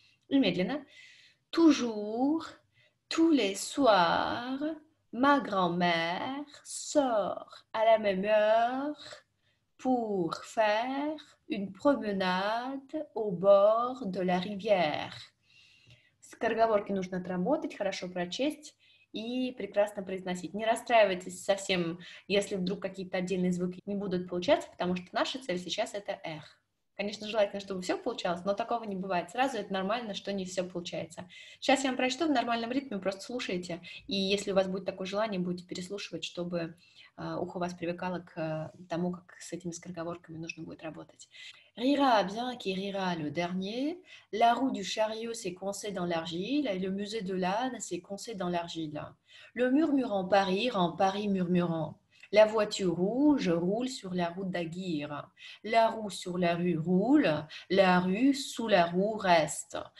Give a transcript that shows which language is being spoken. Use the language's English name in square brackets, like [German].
[Russian] Медленно. [French] Toujours, tous les soirs, ma grand-mère sort à la même heure pour faire une promenade au bord de la rivière. [Russian] Скороговорки нужно отработать, хорошо прочесть. И прекрасно произносить. Не расстраивайтесь совсем, если вдруг какие-то отдельные звуки не будут получаться, потому что наша цель сейчас — это эх. Конечно, желательно, чтобы все получалось, но такого не бывает. Сразу это нормально, что не все получается. Сейчас я вам прочту в нормальном ритме, просто слушайте. И если у вас будет такое желание, будете переслушивать, чтобы ухо вас привыкало к тому, как с этими скороговорками нужно будет работать. [French] Rira bien qui rira le dernier. La roue du chariot s'est coincée dans l'argile et le musée de l'âne s'est coincé dans l'argile. Le murmurant Paris rend Paris murmurant. La voiture rouge roule sur la route d'Aguirre. La roue sur la rue roule, la rue sous la roue reste.